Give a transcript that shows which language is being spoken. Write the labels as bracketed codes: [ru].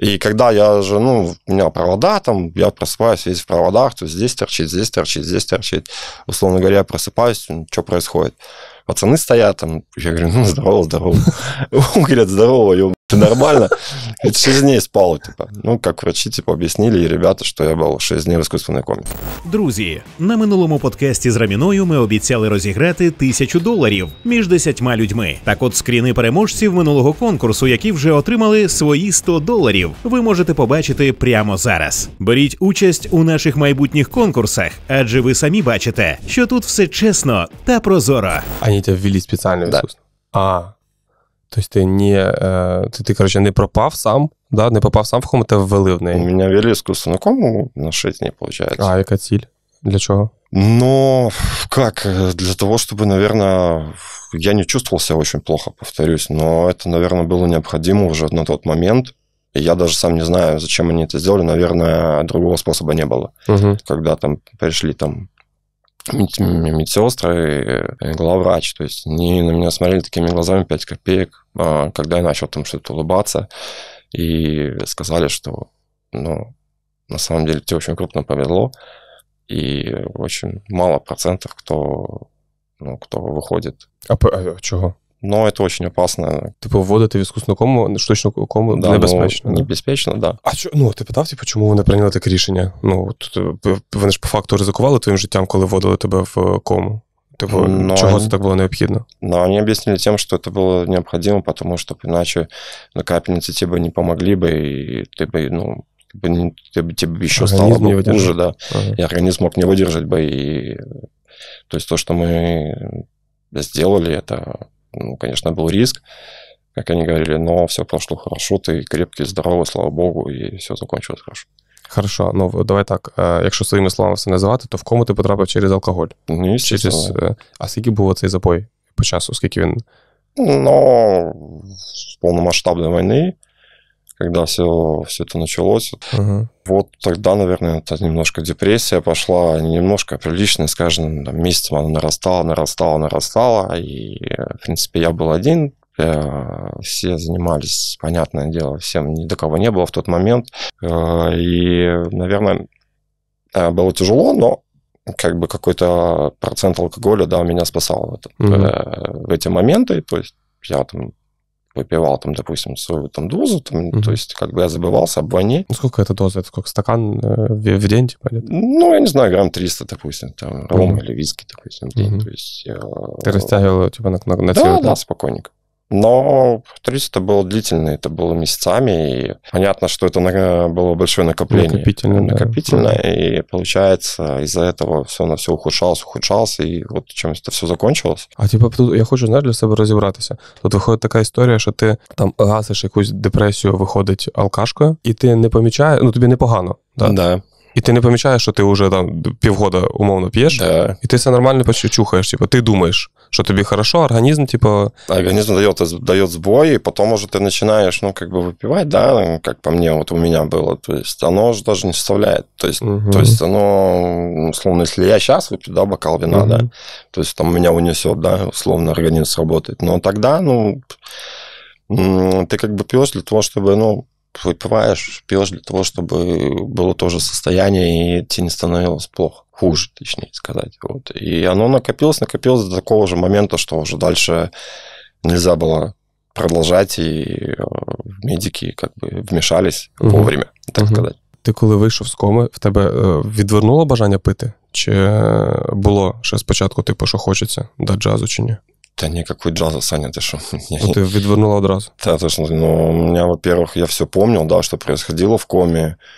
[ru] И когда я же, ну, у меня провода там, я просыпаюсь весь в проводах, то здесь торчит, здесь торчит, здесь торчит. Условно говоря, я просыпаюсь, ну, что происходит? Пацаны стоят там, я говорю, ну, здорово, здорово. Он говорит, здорово, ёб. Это нормально. Это 6 дней спал, типа. Ну, как врачи, типа, объяснили, и ребята, что я был 6 дней в искусственной коме. [uk] Друзі, на минулому подкасті з Раміною ми обіцяли розіграти $1000 між 10 людьми. Так от, скріни переможців минулого конкурсу, які вже отримали свої $100, ви можете побачити прямо зараз. Беріть участь у наших майбутніх конкурсах, адже ви самі бачите, що тут все чесно та прозоро. Ані тебе ввели спеціально в искусство. Да. [ru] То есть ты не, ты, короче, не пропав сам, да, [uk] не попав сам в кому, [ru] ты ввели в неї. У меня ввели искусственную кому на 6 дней, получается. [uk] А, яка ціль? Для чого? [ru] Ну, как, для того, чтобы, наверное, я не чувствовал себя очень плохо, повторюсь, но это, наверное, было необходимо уже на тот момент. Я даже сам не знаю, зачем они это сделали, наверное, другого способа не было. Угу. Когда там пришли там... медсестры, главврач, то есть они на меня смотрели такими глазами 5 копеек, когда я начал там что-то улыбаться, и сказали, что, ну, на самом деле тебе очень крупно повезло, и очень мало процентов, кто, ну, кто выходит. А чего? Но это очень опасно. Типа, вводити в искусственную кому, штучную кому, [uk] да, небезпечно. Небезпечно, да. А чо, ну, ти питав, типа, чому вони прийняли таке рішення? Ну, тут, вони ж по факту ризикували твоїм життям, коли вводили тебе в кому. Типа, но чого це так було необхідно? Ну, вони об'яснили тим, що це було необхідно, тому що іначе на капельниці тебе не помогли би, і ти би, ну, тебе б ще стало б хуже, да. Ага. І організм мог не видержати би. І... [ru] То есть, [uk] то, що ми зробили, це... [ru] Ну, конечно, был риск, как они говорили, но все прошло хорошо, ты крепкий, здоровый, слава Богу, и все закончилось хорошо. [uk] Хорошо, ну давай так, якщо своїми словами все називати, то в кому ти потрапив через алкоголь? [ru] Ну, естественно. [uk] А скільки був оцей запой по часу, скільки він? [ru] Ну, [uk] з повномасштабної війни, [ru] когда все это началось, uh-huh. вот тогда, наверное, это немножко депрессия пошла, немножко прилично, скажем, там, месяцем она нарастала, и, в принципе, я был один, все занимались, понятное дело, всем ни до кого не было в тот момент, и, наверное, было тяжело, но как бы какой-то процент алкоголя, да, меня спасал в, этот, uh-huh. в эти моменты, то есть я там выпивал, там, допустим, свою там, дозу, там, mm-hmm. то есть как бы я забывался об войне. Сколько это доза? Это сколько? Стакан в день, типа? Или? Ну, я не знаю, грамм 300, допустим, там, mm-hmm. ром или виски, допустим, в день. Mm-hmm. То есть, ты растягивал, типа, на да, целый? Да, да, спокойненько. Но 30 это было длительно, это было месяцами, и понятно, что это было большое накопление. Накопительно, накопительно, да. И получается, из-за этого все на все ухудшалось, и вот чем это все закончилось. [uk] А типа, тут я хочу, знаешь, для себя розібратися. Тут виходить така історія, що ти там гасиш якусь депресію, виходить алкашкою, і ти не помічаєш, ну тобі непогано. Да? Да. І ти не помічаєш, що ти вже там півгода умовно п'єш, да. І ти все нормально почухаєш, типу, ти думаєш. [ru] Что тебе хорошо, организм, типа... Организм дает сбой, и потом уже ты начинаешь, ну, как бы выпивать, да, как по мне, вот у меня было, то есть оно уже даже не составляет, то есть, угу. То есть оно, условно, если я сейчас выпью, да, бокал вина, угу. Да, то есть там меня унесет, да, условно, организм сработает, но тогда, ну, ты как бы пьешь для того, чтобы, ну, выпиваешь, пьешь для того, чтобы было то же состояние, и тебе не становилось плохо. Хуже, точнее сказать. Вот. И оно накопилось до такого же момента, что уже дальше нельзя было продолжать, и медики как бы вмешались вовремя, так сказать. [uk] Ти коли вийшов з коми, в тебе відвернуло бажання пити? Чи було ще спочатку, типу, що хочеться до джазу чи ні? [ru] Та никакой джаза, Саня, ты что? [uk] Ну, ты відвернула одразу. [ru] Да, точно. Ну, у меня, во-первых, я все помнил, да, что происходило в коме.